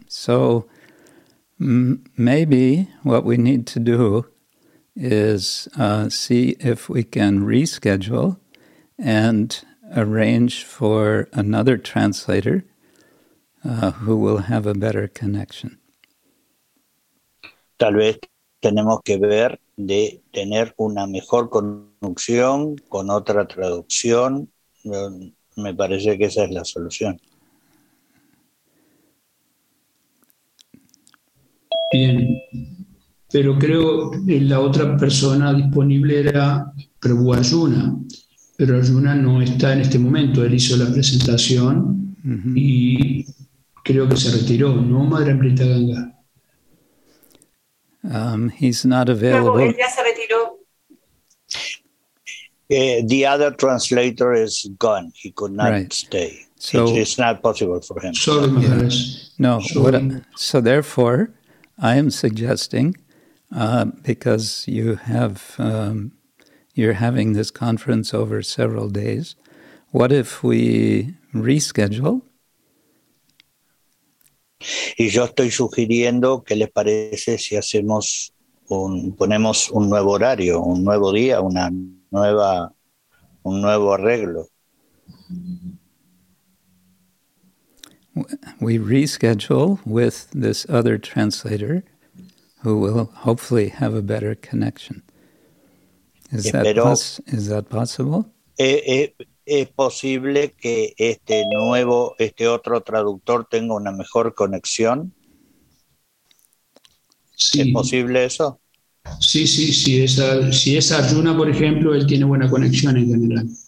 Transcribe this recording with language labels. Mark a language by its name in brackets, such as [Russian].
[English] So maybe what we need to do is see if we can reschedule and arrange for another translator who will have a better connection. [Spanish] Tal vez tenemos que ver de tener una mejor conexión con otra traducción. Me parece que esa es la solución. Bien, pero creo que la otra persona disponible era Prabhu Arjuna, pero Arjuna no está en este momento. Él hizo la presentación y creo que se retiró, ¿no, Madre Amrita Ganga? [English] He's not available. [Spanish] Él ya se retiró. [English] The other translator is gone. He could not stay. So, it's not possible for him. Sorry, Maharaj. Yeah. No, so therefore, I am suggesting, because you have you're having this conference over several days, what if we reschedule? [Spanish] Y yo estoy sugiriendo, ¿qué les parece si hacemos ponemos un nuevo horario, un nuevo día, un nuevo arreglo? [English] We reschedule with this other translator who will hopefully have a better connection. Is that possible? [Spanish] Es posible que este otro traductor tenga una mejor conexión. Sí. ¿Es posible eso? Sí, sí, sí. Si es Arjuna, por ejemplo, él tiene buena conexión en general.